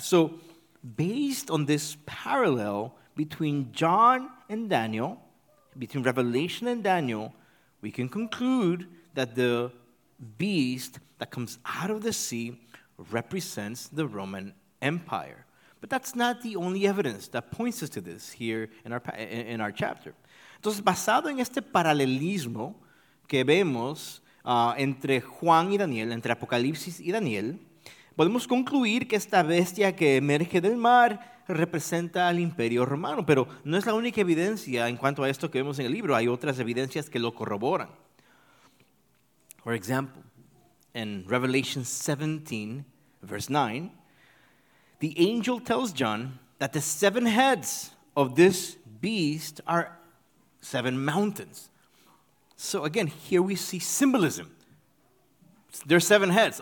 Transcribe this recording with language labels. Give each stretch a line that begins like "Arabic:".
English: So, based on this parallel between John and Daniel, between Revelation and Daniel, we can conclude that the beast that comes out of the sea represents the Roman Empire. But that's not the only evidence that points us to this here in our chapter.
Spanish: Entonces, basado en este paralelismo que vemos entre Juan y Daniel, entre Apocalipsis y Daniel, podemos concluir que esta bestia que emerge del mar representa al Imperio Romano, pero no es la única evidencia en cuanto a esto que vemos en el libro. Hay otras evidencias que lo corroboran.
English: For example, in Revelation 17, verse 9, the angel tells John that the seven heads of this beast are seven mountains. So again, here we see symbolism. there's seven heads.